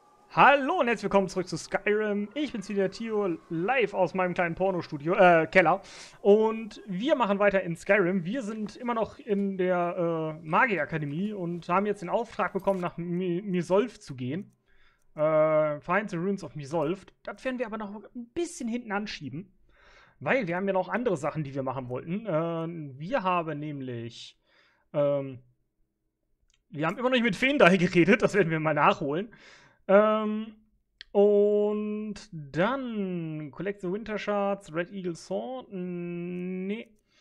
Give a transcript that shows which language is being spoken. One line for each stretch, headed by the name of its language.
German: Hallo und herzlich willkommen zurück zu Skyrim. Ich bin's wieder, Theo, live aus meinem kleinen Pornostudio, Keller. Und wir machen weiter in Skyrim. Wir sind immer noch in der Magierakademie und haben jetzt den Auftrag bekommen, nach Misolf zu gehen.
English: Find the Ruins of Misolf.
German: Das werden wir aber noch ein bisschen hinten anschieben. Weil wir haben ja noch andere Sachen, die wir machen wollten. Wir haben nämlich... wir haben immer noch nicht mit Feendahl geredet, das werden wir mal nachholen. Und dann
English: Collect the Winter Shards, Red Eagle Sword,
German: nee.